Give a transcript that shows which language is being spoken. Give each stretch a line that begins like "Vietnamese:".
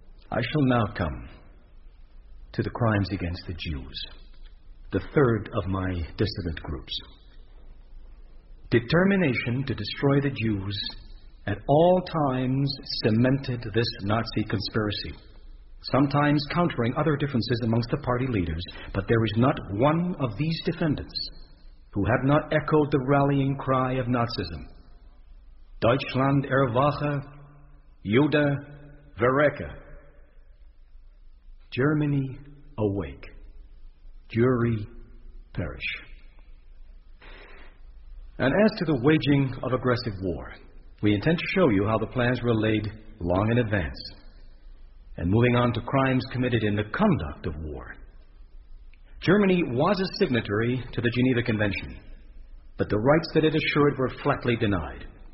English: I shall now come to the crimes against the Jews, the third of my dissident groups. Determination to destroy the Jews at all times cemented this Nazi conspiracy, sometimes countering other differences amongst the party leaders, but there is not one of these defendants who have not echoed the rallying cry of Nazism.
German: Deutschland erwache, Jude verrecke.
English: Germany awake, Jury perish. And as to the waging of aggressive war, we intend to show you how the plans were laid long in advance. And moving on to crimes committed in the conduct of war. Germany was a signatory to the Geneva Convention, but the rights that it assured were flatly denied.